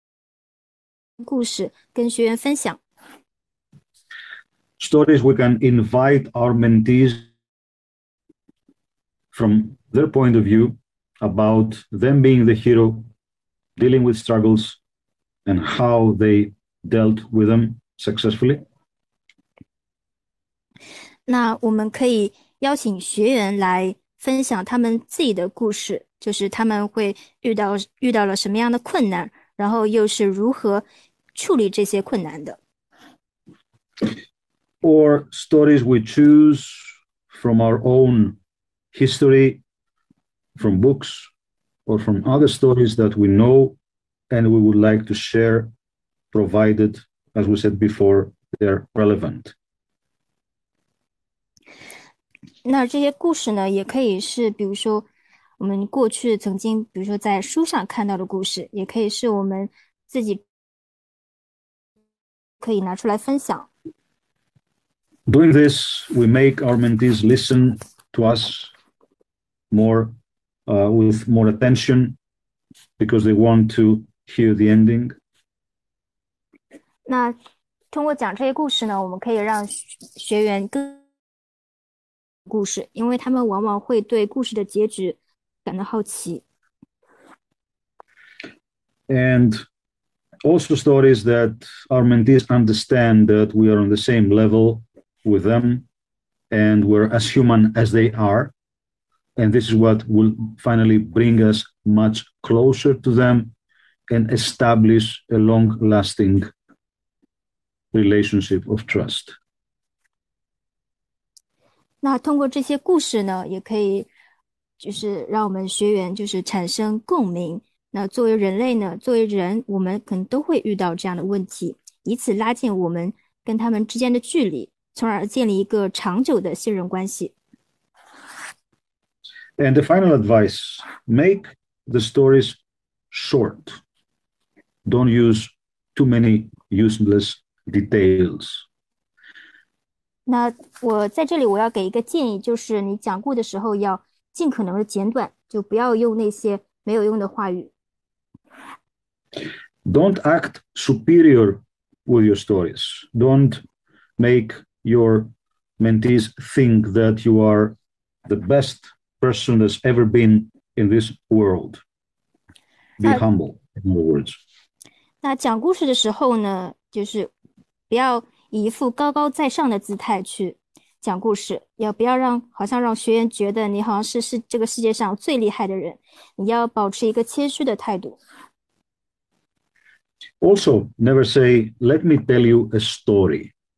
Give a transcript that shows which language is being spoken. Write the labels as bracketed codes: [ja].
[zh] 那就是当我们是自己是故事中的主角时，那就在这个故事当中呢，我们遭遇了失败，然后又从失败中吸取教训，并获得成功。故事跟学员分享。 [en] Stories we can invite our mentees from their point of view about them being the hero, dealing with struggles, and how they dealt with them successfully. [zh] 那我们可以邀请学员来分享他们自己的故事，就是他们会遇到了什么样的困难，然后又是如何处理这些困难的。 [en] or stories we choose from our own history, from books, or from other stories that we know and we would like to share, provided, as we said before, they're relevant. [zh] 那这些故事呢，也可以是，比如说我们过去曾经，比如说在书上看到的故事，也可以是我们自己可以拿出来分享。 [en] Doing this, we make our mentees listen to us more, with more attention because they want to hear the ending. [zh] 那通过讲这些故事呢，我们可以让学员更。故事，因为他们往往会对故事的结局感到好奇。 [en] And also stories that our mentees understand that we are on the same level with them, and we're as human as they are. And this is what will finally bring us much closer to them and establish a long-lasting relationship of trust. [zh] 那通过这些故事呢，也可以，就是让我们学员就是产生共鸣。那作为人类呢，作为人，我们可能都会遇到这样的问题，以此拉近我们跟他们之间的距离，从而建立一个长久的信任关系。 [en] And the final advice, make the stories short. Don't use too many useless details. [zh] 那我在这里我要给一个建议，就是你讲故的时候要尽可能的简短，就不要用那些没有用的话语。 [en] Don't act superior with your stories. Don't make your mentees think that you are the best person that's ever been in this world. Be humble, in other words. [zh] 那讲故事的时候呢，就是不要。以一副高高在上的姿态去讲故事，要不要让好像让学员觉得你好像是这个世界上最厉害的人，你要保持一个谦虚的态度。 [en] Also, never say, "Let me tell you a story."